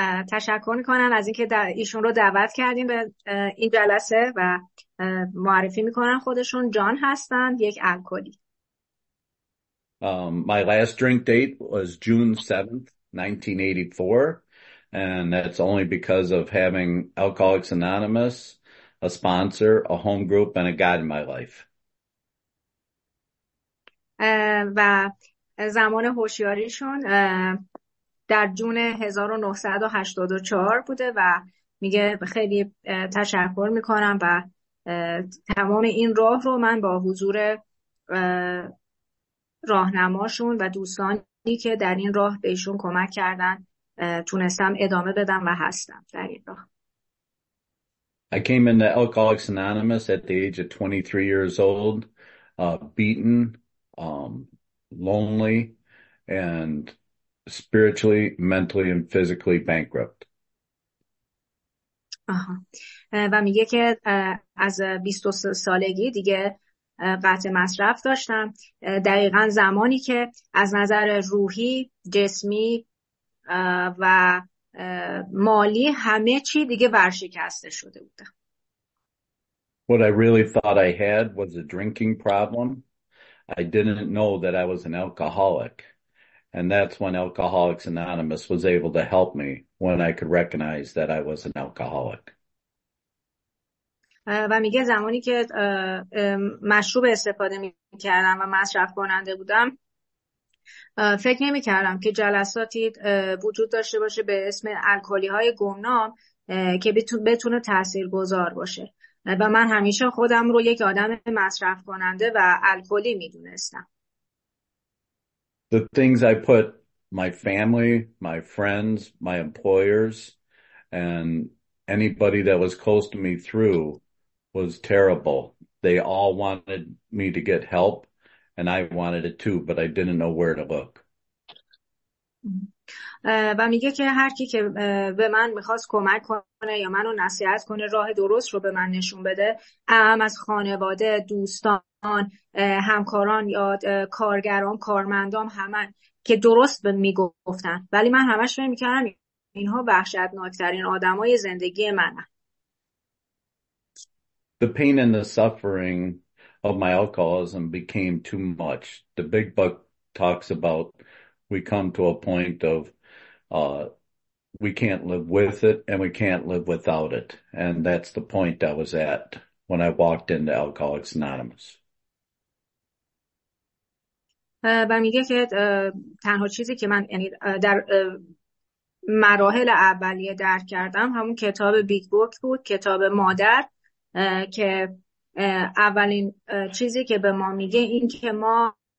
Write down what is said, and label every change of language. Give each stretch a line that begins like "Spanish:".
Persian: تشکر میکنم از اینکه در ایشون رو دعوت کردیم به این جلسه و معرفی میکنم خودشون. جان هستن، یک الکلی.
English: My last drink date was June 7th, 1984, and that's only because of having Alcoholics Anonymous, a sponsor, a home group, and a guide in my life.
Persian: و زمان هوشیاریشون در جون 1984 بوده و میگه خیلی تشکر میکنم و تمام این راه رو من با حضور راهنماشون و دوستانی که در این راه بهشون کمک کردن تونستم ادامه بدم و هستم در این راه.
English: I came into Alcoholics Anonymous at the age of 23 years old, beaten, lonely, and spiritually, mentally, and physically bankrupt. آها.
Persian: و میگه که از 23 سالگی دیگه قطع مصرف داشتم، دقیقا زمانی که از نظر روحی، جسمی و مالی همه چی دیگه ورشکسته شده بودم.
English: What I really thought I had was a drinking problem. I didn't know that I was an alcoholic. And that's when Alcoholics Anonymous was able to help me, when I could recognize that I was an alcoholic.
Persian: و میگه زمانی که مشروب استفاده میکردم و مصرف کننده بودم، فکر نمیکردم که جلساتی وجود داشته باشه به اسم الکلی های گمنام که بتونه تاثیرگذار باشه. و من همیشه خودم رو یک آدم مصرف کننده و الکلی میدونستم.
English: The things I put my family, my friends, my employers, and anybody that was close to me through was terrible. They all wanted me to get help, and I wanted it too, but I didn't know where to look.
Persian: و میگه که هر کی که به من میخواست کمک کنه یا منو نصیحت کنه، راه درست رو به من نشون بده، اهم از خانواده، دوستان، همکاران یا کارگران، کارمندان، همان که درست به میگفتن، ولی من همش فکر میکردم اینها وحشتناکترین آدمای زندگی منن.
English: The pain and the suffering of my alcoholism became too much. The big book talks about we come to a point of we can't live with it and we can't live without it. And that's the point I was at when I walked into Alcoholics Anonymous.
Persian: و میگه که تنها چیزی که من در مراحل اولیه درک کردم همون کتاب بیگ بوک بود، کتاب مادر، که اولین چیزی که به ما میگه این که ما